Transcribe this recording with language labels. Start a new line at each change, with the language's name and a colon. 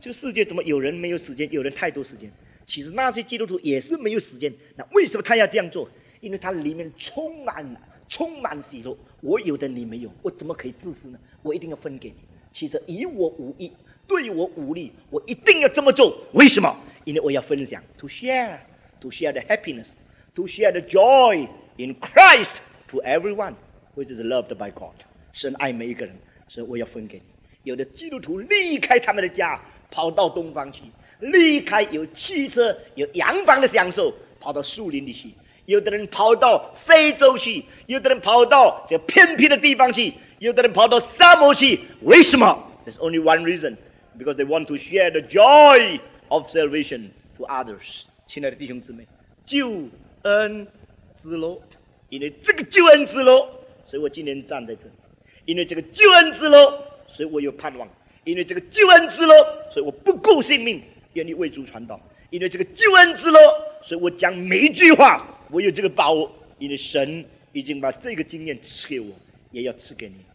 Chinese: 这个世界怎么有人没有时间，有人太多时间？其实那些基督徒也是没有时间。那为什么他要这样做？因为他里面充满喜乐。我有的你没有，我怎么可以自私呢？我一定要分给你。其实以我无益，对我无力，我一定要这么做。为什么？因为我要分享
English: ，to share the happiness, to share the joy in Christ to everyone, which is loved by God.
Chinese: 神爱每一个人，所以我要分给你。有的基督徒离开他们的家，跑到东方去，离开有汽车、有洋房的享受，跑到树林里去。有的人跑到非洲去，有的人跑到这偏僻的地方去，有的人跑到沙漠去。为什么？
English: There's only one reason, because they want to share the joy of salvation to others.
Chinese: 亲爱的弟兄姊妹，救恩之乐，因为这个救恩之乐，所以我今天站在这里。因为这个救恩之乐，所以我有盼望。因为这个救恩之乐，所以我不顾性命，愿意为主传道。因为这个救恩之乐，所以我讲每一句话，我有这个把握，因为神已经把这个经验赐给我，也要赐给你。